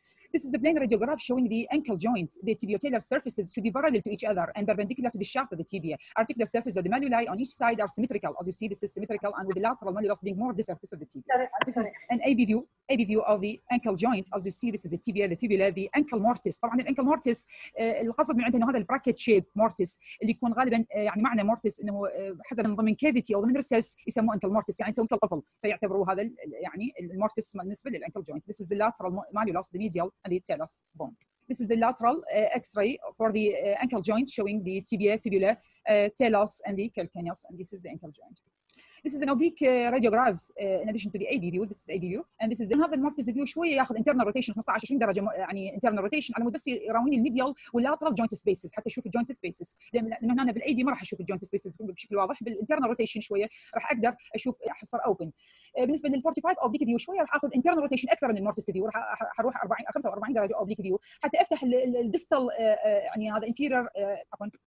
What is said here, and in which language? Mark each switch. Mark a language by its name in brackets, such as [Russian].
[English] This is a plane radiograph showing the ankle joint. The tibiotalar surfaces should be parallel to each other and perpendicular to the shaft of the tibia. Articular surfaces of the malleoli on each side are symmetrical. As you see, this is symmetrical and with the lateral malleolus being more the surface of the tibia. This is an AB view of the ankle joint. As you see, this is the tibia, the fibula, the ankle mortis. [Arabic] طبعا الانكل مورتس القصد من عنده انه هذا البراكت شيب مورتس اللي يكون غالبا يعني معنى مورتس انه حسب من ضمن كافيتي او ضمن ريسس يسموه انكل مورتس يعني يسموه مثل قفل فيعتبروا هذا يعني المورتس بالنسبه للانكل جوينت. [English] This is the lateral malleolus, the medial and the talus bone. This is the lateral X-ray for the ankle joint showing the tibia, fibula, talus and the calcaneus, and this is the ankle joint. This is an oblique radiographs in addition to the AB view. This is AB view. And this is the mortis view. [Arabic] شوية ياخذ internal rotation 15-20 درجة يعني internal rotation على مود بس يراويني الميديال واللاترال joint spaces حتى اشوف الجوينت سبيسز. لأنه أنا بالAB ما راح اشوف الجوينت سبيسز بشكل واضح. بالinternal rotation شوية راح أقدر أشوف أحصر open. بالنسبة لل 45 oblique view شوية راح آخذ internal rotation أكثر من المورتس view. راح أروح 45 درجة oblique view حتى أفتح الديستال يعني هذا inferior عفوا.